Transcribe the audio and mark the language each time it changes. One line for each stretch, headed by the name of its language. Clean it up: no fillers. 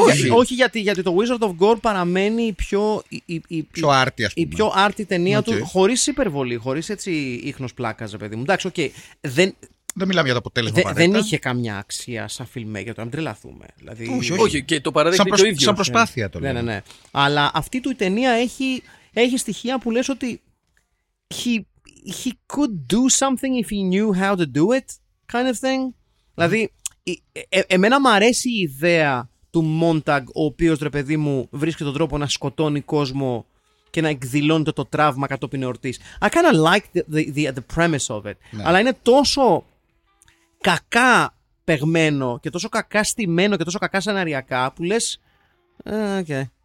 Greek: Όχι, γιατί το Wizard of Gore παραμένει η πιο άρτη, ας πούμε. Η πιο άρτη ταινία του, χωρίς υπερβολή, χωρίς έτσι ίχνος πλάκας, παιδί μου. Εντάξει, okay, δεν μιλάμε για το αποτέλεσμα. Δεν είχε καμιά αξία σαν φιλμέγερ, το να μην τρελαθούμε. Δηλαδή, όχι, και το παραδείγμα είναι το ίδιο. Σαν προσπάθεια το λέω. Ναι. Αλλά αυτή του η ταινία έχει στοιχεία που λες ότι
English: he could do something if he knew how to do it, kind of thing.
Greek: Δηλαδή, εμένα μου αρέσει η ιδέα του Montag, ο οποίος, ρε παιδί μου, βρίσκεται τον τρόπο να σκοτώνει κόσμο και να εκδηλώνεται το τραύμα κατόπιν εορτής.
English: I kind of like the premise of it.
Greek: Ναι. Αλλά είναι τόσο κακά παιγμένο και τόσο κακά στημένο και τόσο κακά σεναριακά που λες, okay.